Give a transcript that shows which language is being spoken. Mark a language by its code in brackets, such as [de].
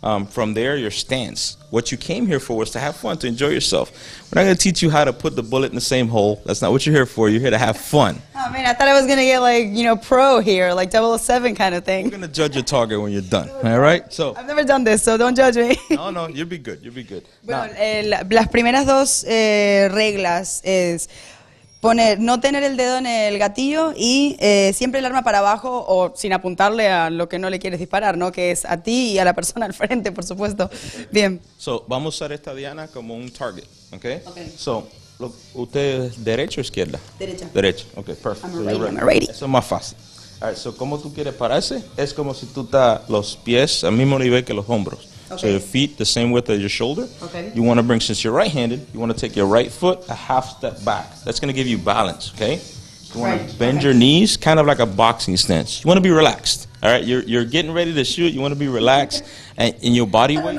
[en] From there, your stance. What you came here for was to have fun, to enjoy yourself. We're not going to teach you how to put the bullet in the same hole. That's not what you're here for. You're here to have fun. Oh, man, I thought I was going to get, like, you know, pro here, like 007 kind of thing. We're going to judge your target when you're done, all right? So I've never done this, so don't judge me. No, you'll be good. You'll be good. [es] Bueno, las primeras dos reglas es poner, no tener el dedo en el gatillo y siempre el arma para abajo o sin apuntarle a lo que no le quieres disparar, ¿no? Que es a ti y a la persona al frente, por supuesto. Bien. So, vamos a usar esta Diana como un target, ¿ok? [en] Okay. [es] So, ¿usted es derecha o izquierda? Derecha. Derecha, ok, perfecto. [en] I'm a righty, I'm a righty. [es] Eso es más fácil. [en] All right, [es] so, ¿cómo tú quieres pararse? Es como si tú estás los pies al mismo nivel que los hombros. [en] Okay. So your feet the same width as your shoulder. Okay. You want to bring, since you're right-handed, you want to take your right foot a half step back. That's going to give you balance, okay? You want to bend your knees, kind of like a boxing stance. You want to be relaxed, all right? You're getting ready to shoot. You want to be relaxed and in your body weight.